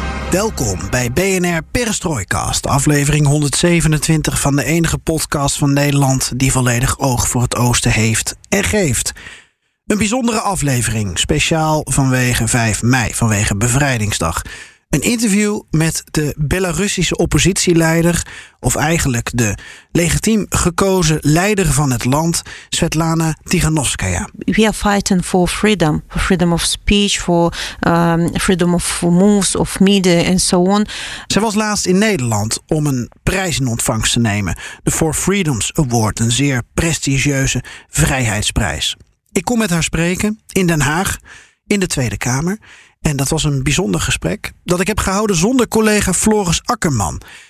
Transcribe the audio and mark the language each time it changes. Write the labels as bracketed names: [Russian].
[Dutch] Welkom bij BNR Perestrooikast, aflevering 127 van de enige podcast van Nederland die volledig oog voor het oosten heeft en geeft. Een bijzondere aflevering, speciaal vanwege 5 mei, vanwege Bevrijdingsdag. Een interview met de Belarussische oppositieleider, of eigenlijk de legitiem gekozen leider van het land, Svetlana Tikhanovskaya. [English] We are fighting for freedom of speech, for freedom of moves, of media and so on. [Dutch] Zij was laatst in Nederland om een prijs in ontvangst te nemen, de For Freedoms Award, een zeer prestigieuze vrijheidsprijs. Ik kon met haar spreken in Den Haag, in de Tweede Kamer. En dat was een bijzonder gesprek dat ik heb gehouden zonder collega Floris Akkerman.